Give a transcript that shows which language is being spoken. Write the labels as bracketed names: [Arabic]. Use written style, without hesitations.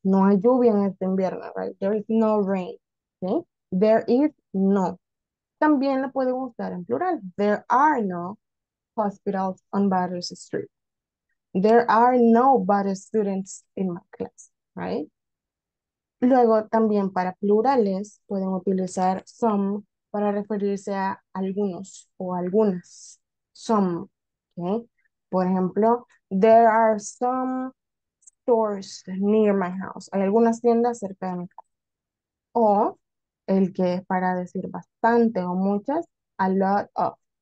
[Spanish] No hay lluvia en este invierno, right? [English] There is no rain, okay? There is no. [Spanish] También la pueden usar en plural. [English] There are no hospitals on Butters Street. There are no Butters students in my class, right? [Spanish] Luego, también para plurales, pueden utilizar some para referirse a algunos o algunas. [English] Some, okay? [Spanish] Por ejemplo, [English] there are some stores near my house. [Spanish] Hay algunas tiendas cerca de mi casa. O, el que es para decir bastante o muchas, [English] a lot of.